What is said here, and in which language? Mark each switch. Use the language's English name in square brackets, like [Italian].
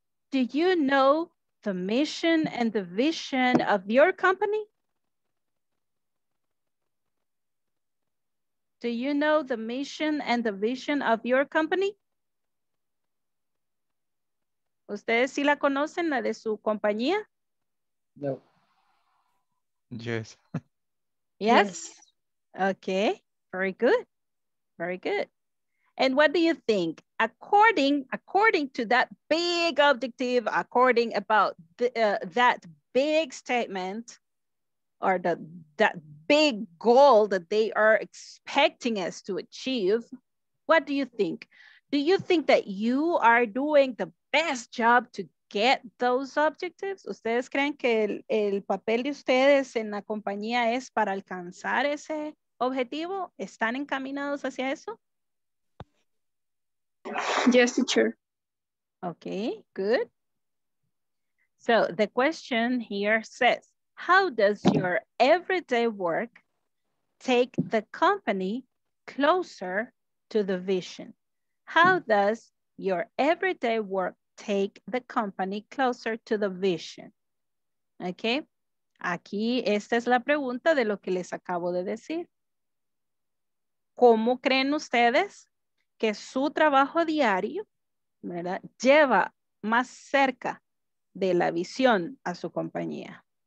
[English] Do you know the mission and the vision of your company? Do you know the mission and the vision of your company? [Spanish] ¿Ustedes sí la conocen, la de su compañía? No. [English] Yes. Yes? Okay, very good. Very good. And what do you think? According to that big objective, according about that big statement, or the that big goal that they are expecting us to achieve, what do you think? Do you think that you are doing the best job to get those objectives? [Spanish] ¿Ustedes creen que el papel de ustedes en la compañía es para alcanzar ese objetivo? ¿Están encaminados hacia eso? [English] Yes, teacher. Okay, good. So the question here says, how does your everyday work take the company closer to the vision? How does your everyday work take the company closer to the vision? [Spanish] Okay, aquí esta es la pregunta de lo que les acabo de decir. ¿Cómo creen ustedes que su trabajo diario, verdad, lleva más cerca de la visión a su compañía?